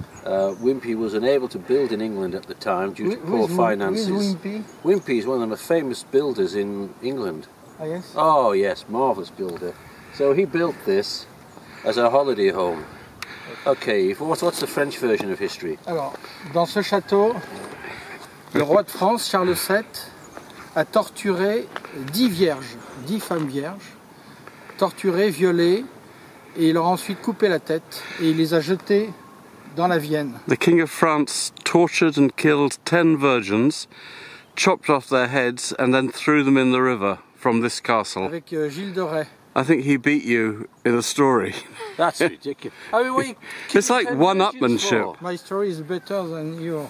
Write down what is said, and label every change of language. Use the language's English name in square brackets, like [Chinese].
[English] Wimpy was unable to build in England at the time due to poor finances. Who's Wimpy? Wimpy is one of the famous builders in England. Oh, yes? Oh, yes, marvellous builder. So he built this as a holiday home. Okay, what's the French version of history? [French] Alors, dans ce château... Le roi de France, Charles VII, a torturé 10 femmes vierges, torturées, violées, et il leur a ensuite coupé la tête et il les a jetées dans la Vienne. [English] The King of France tortured and killed 10 virgins, chopped off their heads and then threw them in the river from this castle. [French] Avec Gilles de Rais. [English] I think he beat you in a story. That's ridiculous. I mean, wait, it's like one-upmanship. My story is better than yours.